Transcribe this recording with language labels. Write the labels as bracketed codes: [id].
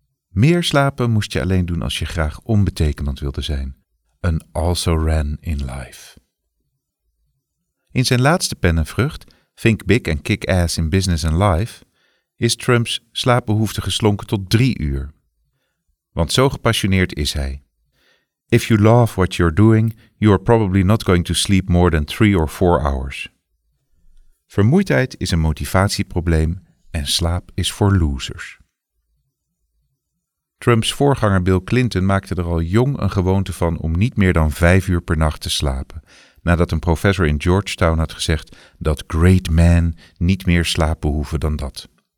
[nl] Meer slapen moest je alleen doen als je graag onbetekenend wilde zijn. Een [en] also-ran in life. [nl] In zijn laatste pennenvrucht, Think Big and Kick Ass in Business and Life, is Trumps slaapbehoefte geslonken tot 3. Want zo gepassioneerd is hij. [en] If you love what you're doing, you are probably not going to sleep more than 3 or 4. [nl] Vermoeidheid is een motivatieprobleem en slaap is voor losers. Trumps voorganger Bill Clinton maakte er al jong een gewoonte van om niet meer dan 5 per nacht te slapen, nadat een professor in Georgetown had gezegd dat [en] great men [nl] niet meer slaap behoeven dan dat.